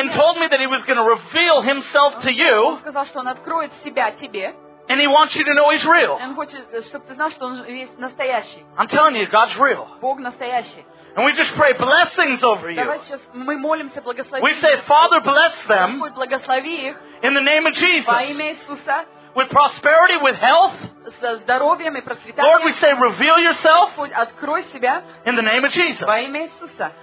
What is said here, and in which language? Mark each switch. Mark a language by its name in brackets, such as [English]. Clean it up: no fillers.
[English] And told me that He was going to reveal Himself to you. [Russian] Он сказал, что он откроет себя тебе. [English] And He wants you to know He's real. [Russian] Он хочет, чтобы ты знал, что он есть настоящий. [English] I'm telling you, God's real. [Russian] Бог настоящий. [English] And we just pray blessings over you. We say, Father, bless them in the name of Jesus. With prosperity, with health. Lord, we say, reveal yourself in the name of Jesus.